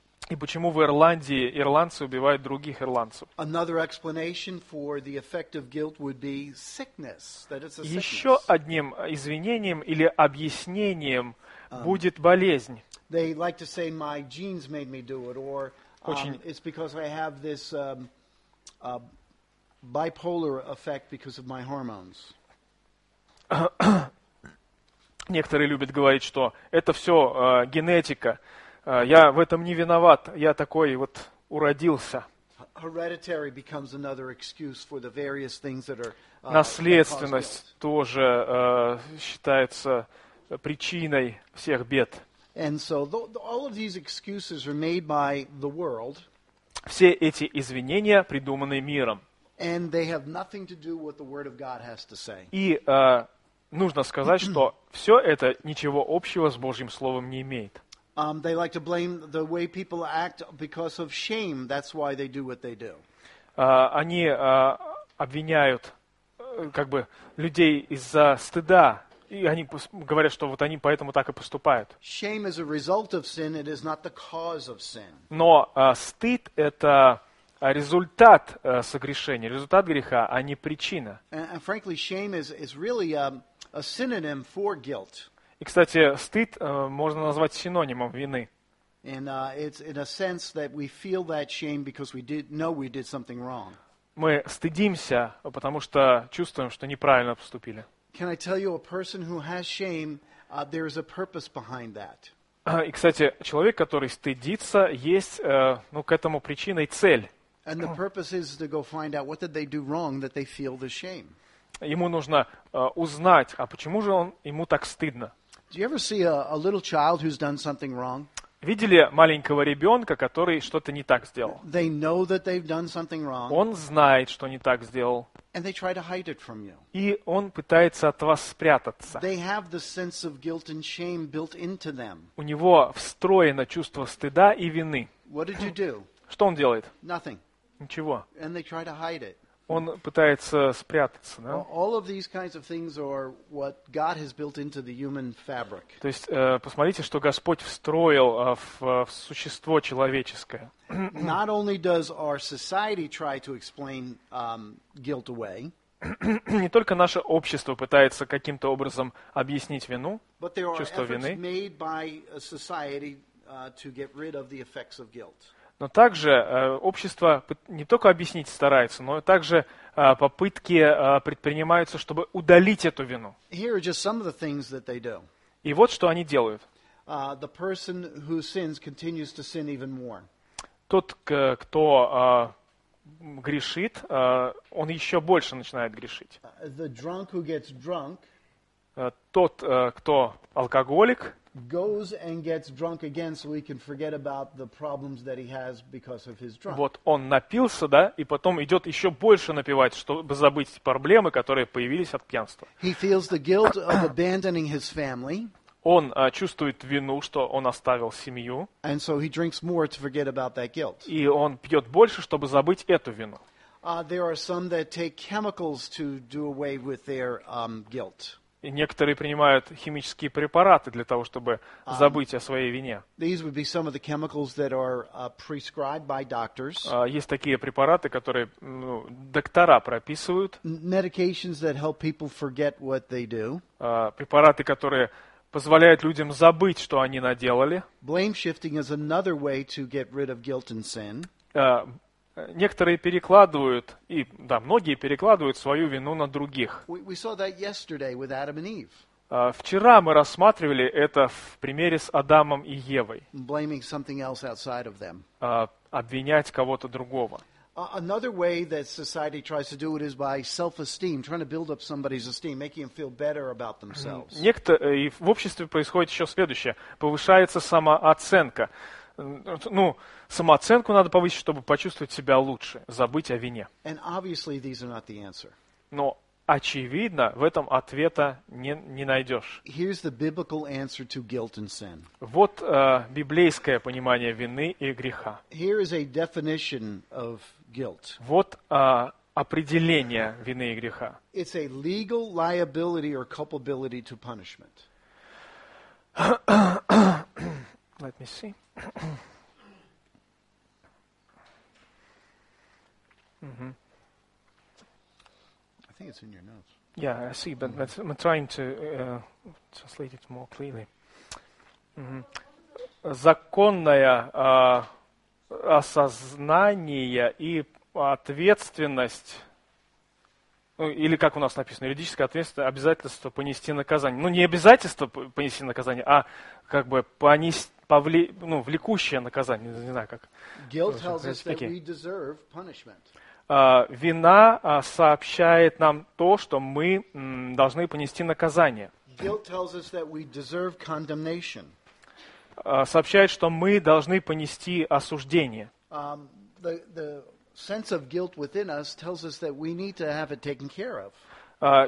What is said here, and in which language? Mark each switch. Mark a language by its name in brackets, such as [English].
[Russian] И почему в Ирландии ирландцы убивают других ирландцев? Еще одним извинением или объяснением будет болезнь. [English] They like to say my genes made me do it, or it's because I have this bipolar effect because of my hormones. [Russian] Некоторые любят говорить, что это все генетика. Я в этом не виноват. Я такой вот уродился. [English] Hereditary becomes another excuse for the various things that are. [Russian] Наследственность тоже считается причиной всех бед. [English] And so all of these excuses are made by the world. [Russian] Все эти извинения придуманы миром. [English] And they have nothing to do with what the word of God has to say. [Russian] И нужно сказать, что все это ничего общего с Божьим словом не имеет. [English] They like to blame the way people act because of shame. That's why they do what they do. [Russian] Они обвиняют как бы людей из-за стыда. И они говорят, что вот они поэтому так и поступают. [English] Shame is a result of sin, it is not the cause of sin. [Russian] Но стыд – это результат согрешения, результат греха, а не причина. [English] And frankly, shame is really a synonym for guilt. [Russian] И, кстати, стыд можно назвать синонимом вины. [English] And it's in a sense that we feel that shame because we did know we did something wrong. [Russian] Мы стыдимся, потому что чувствуем, что неправильно поступили. [English] Can I tell you a person who has shame, there is a purpose behind that. [Russian] И, кстати, человек, который стыдится, есть, ну, к этому причина и цель. [English] And the purpose is to go find out what did they do wrong that they feel the shame. [Russian] Ему нужно узнать, а почему же ему так стыдно? [English] Do you ever see a little child who's done something wrong? [Russian] Видели маленького ребенка, который что-то не так сделал? [English] They know that they've done something wrong. [Russian] Он знает, что не так сделал. [English] And they try to hide it from you. [Russian] И он пытается от вас спрятаться. [English] They have the sense of guilt and shame built into them. [Russian] У него встроено чувство стыда и вины. [English] What did you do? [Russian] Что он делает? [English] Nothing. [Russian] Ничего. [English] And they try to hide it. [Russian] Он пытается спрятаться, да? [English] All of these kinds of things are what God has built into the human fabric. [Russian] То есть, посмотрите, что Господь встроил в существо человеческое. [English] Not only does our society try to explain guilt away. [Russian] Не только наше общество пытается каким-то образом объяснить вину, [English] but there are [Russian] чувство вины. [English] Made by society to get rid of the effects of guilt. [Russian] Но также общество не только объяснить старается, но также попытки предпринимаются, чтобы удалить эту вину. [English] Here are just some of the things that they do. [Russian] И вот что они делают. [English] The person who sins continues to sin even more. [Russian] Тот, кто грешит, он еще больше начинает грешить. [English] The drunk who gets drunk, [Russian] тот, кто алкоголик, [English] goes and gets drunk again so he can forget about the problems that he has because of his drunk. [Russian] Вот он напился, да, и потом идет еще больше напивать, чтобы забыть проблемы, которые появились от пьянства. [English] He feels the guilt of abandoning his family. [Russian] Он чувствует вину, что он оставил семью. [English] And so he drinks more to forget about that guilt. [Russian] И он пьет больше, чтобы забыть эту вину. [English] There are some that take chemicals to do away with their guilt. [Russian] И некоторые принимают химические препараты для того, чтобы забыть о своей вине. [English] These would be some of the chemicals that are prescribed by doctors. [Russian] Есть такие препараты, которые доктора прописывают. [English] Medications that help people forget what they do. [Russian] Препараты, которые позволяют людям забыть, что они наделали. [English] Blame shifting is another way to get rid of guilt and sin. [Russian] Некоторые перекладывают, и да, многие перекладывают свою вину на других. [English] We saw that yesterday with Adam and Eve. [Russian] Вчера мы рассматривали это в примере с Адамом и Евой. [English] Blaming something else outside of them. [Russian] Обвинять кого-то другого. [English] Another way that society tries to do it is by self-esteem, trying to build up somebody's esteem, making them feel better about themselves. [Russian] И в обществе происходит еще следующее. Повышается самооценка. Ну, самооценку надо повысить, чтобы почувствовать себя лучше, забыть о вине. [English] And obviously these are not the answer. [Russian] Но очевидно, в этом ответа не найдешь. [English] Here's the biblical answer to guilt and sin. [Russian] Вот библейское понимание вины и греха. [English] Here is a definition of guilt. [Russian] Вот определение вины и греха. [English] It's a legal liability or culpability to punishment. Let me see. I think it's in your notes. Yeah, I see, but I'm trying to translate it more clearly. [Russian] Законное осознание и ответственность, или как у нас написано, юридическое ответственность, обязательство понести наказание. Ну, не обязательство понести наказание, а как бы понести, влекущее наказание, не знаю как. [English] Guilt tells us that we deserve punishment. [Russian] Вина сообщает нам то, что мы должны понести наказание. [English] Guilt tells us that we deserve condemnation. [Russian] Сообщает, что мы должны понести осуждение. [English] The sense of guilt within us tells us that we need to have it taken care of.